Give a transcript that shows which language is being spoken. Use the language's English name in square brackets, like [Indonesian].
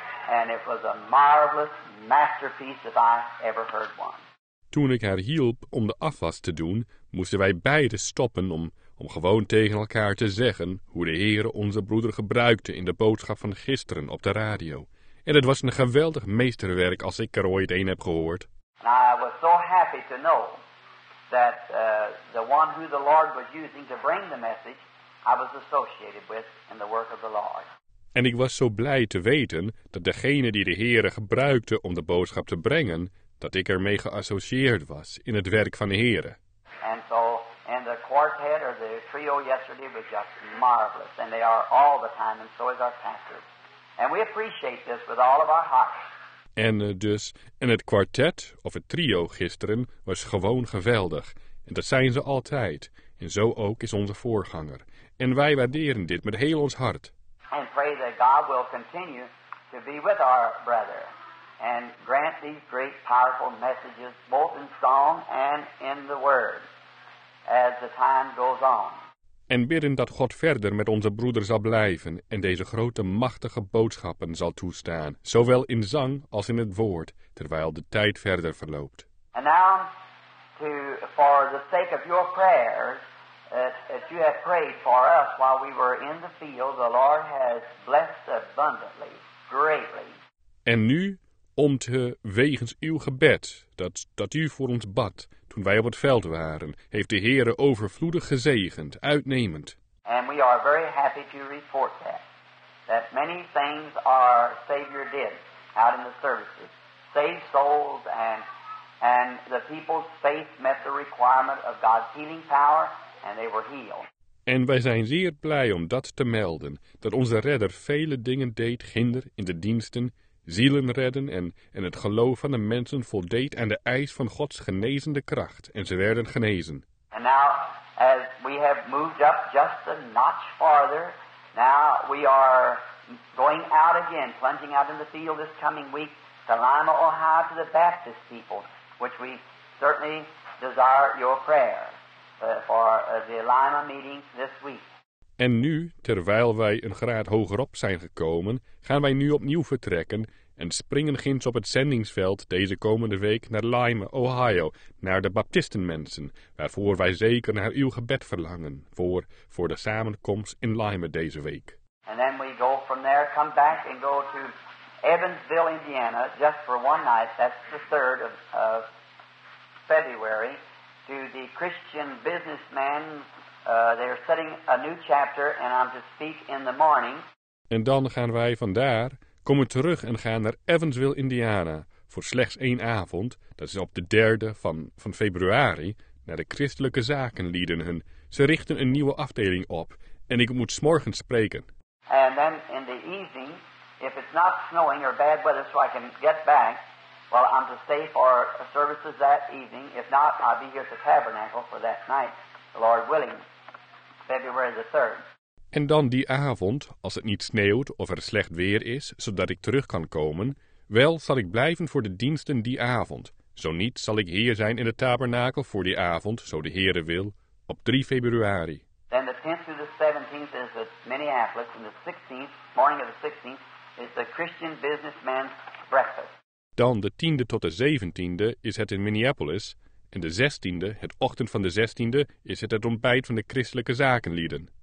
[English] And it was a marvelous masterpiece if I ever heard one. [Dutch] Toen ik haar hielp om de afwas te doen, moesten wij beiden stoppen om gewoon tegen elkaar te zeggen hoe de Heere onze broeder gebruikte in de boodschap van gisteren op de radio. En het was een geweldig meesterwerk als ik er ooit een heb gehoord. [English] I was so happy to know that the one who the Lord was using to bring the message, I was associated with in the work of the Lord. [Dutch] En ik was zo blij te weten dat degene die de Heere gebruikte om de boodschap te brengen, dat ik ermee geassocieerd was in het werk van de Heere. [English] And so in the quartet or the trio yesterday was just marvelous. And they are all the time, and so is our pastor. And we appreciate this with all of our hearts. [Dutch] En dus in het kwartet of het trio gisteren was gewoon geweldig. En dat zijn ze altijd. En zo ook is onze voorganger. En wij waarderen dit met heel ons hart. [English] And pray that God will continue to be with our brother. And grant these great powerful messages both in song and in the word as the time goes on. [Dutch] En bidden dat God verder met onze broeder zal blijven en deze grote machtige boodschappen zal toestaan, zowel in zang als in het woord, terwijl de tijd verder verloopt. [English] And now, for the sake of your prayers that you have prayed for us while we were in the field, the Lord has blessed abundantly, greatly. [Dutch] En nu, om te wegens uw gebed, dat u voor ons bad, toen wij op het veld waren, heeft de Heere overvloedig gezegend, uitnemend. [English] And we are very happy to report that many things our Savior did out in the services. Saved souls and the people's faith met the requirement of God's healing power and they were healed. [Dutch] En wij zijn zeer blij om dat te melden, dat onze Redder vele dingen deed ginder in de diensten, zielen redden en het geloof van de mensen voldeed aan de eis van Gods genezende kracht en ze werden genezen. [English] And now, as we have moved up just a notch farther, now we are going out again, plunging out in the field this coming week to Lima, Ohio, to the Baptist people, which we certainly desire your prayer for the Lima meeting this week. [Dutch] En nu, terwijl wij een graad hogerop zijn gekomen, gaan wij nu opnieuw vertrekken en springen ginds op het zendingsveld deze komende week naar Lima, Ohio, naar de baptistenmensen, waarvoor wij zeker naar uw gebed verlangen, voor de samenkomst in Lima deze week. [English] And then we go from there, come back and go to Evansville, Indiana, just for one night, that's the 3rd of February, to the Christian businessmen. They're setting a new chapter and I'm to speak in the morning. [Dutch] En dan gaan wij vandaar, komen terug en gaan naar Evansville, Indiana, voor slechts één avond, dat is op de 3e van februari, naar de christelijke zakenlieden hun. Ze richten een nieuwe afdeling op en ik moet 's morgens spreken. [English] And then in the evening, if it's not snowing or bad weather so I can get back, well, I'm to stay for services that evening. If not, I'll be here at the tabernacle for that night, the Lord willing, February the 3rd. [Dutch] En dan die avond, als het niet sneeuwt of er slecht weer is, zodat ik terug kan komen, wel zal ik blijven voor de diensten die avond. Zo niet zal ik hier zijn in de tabernakel voor die avond, zo de Heere wil, op 3 februari. [English] Then the 10th through the 17th is at Minneapolis, and the 16th, morning of the 16th, is the Christian businessman's breakfast. [Dutch] Dan de 10e tot de 17e is het in Minneapolis, en de 16e, het ochtend van de 16e, is het ontbijt van de christelijke zakenlieden.